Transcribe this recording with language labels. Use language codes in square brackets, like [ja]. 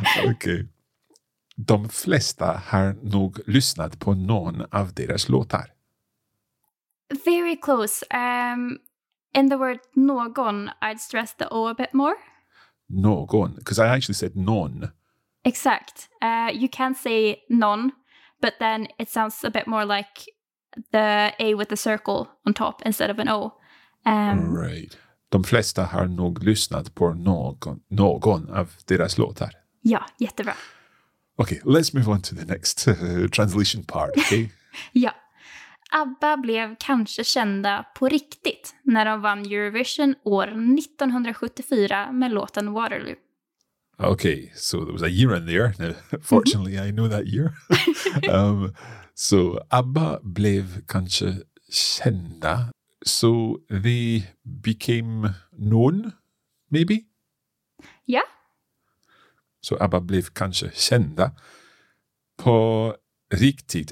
[en] Okay. [sv] De flesta har nog lyssnat på någon av deras låtar. [en] Very close. In the word någon, I'd stress the O a bit more. Någon, because I actually said non. Exact. You can say non. But then it sounds a bit more like the A with the circle on top instead of an O. Right. [sv] De flesta har nog lyssnat på någon av deras låtar. Ja, jättebra. [en] Okay, let's move on to the next translation part, okay? [sv] Ja. ABBA blev kanske kända på riktigt när de vann Eurovision år 1974 med låten Waterloo. [en] Okay, so there was a year in there. Now, fortunately, I know that year. [sv] So ABBA blev kanske kända. [en] So they became known, maybe? Yeah. [sv] So ABBA blev kanske kända på riktigt.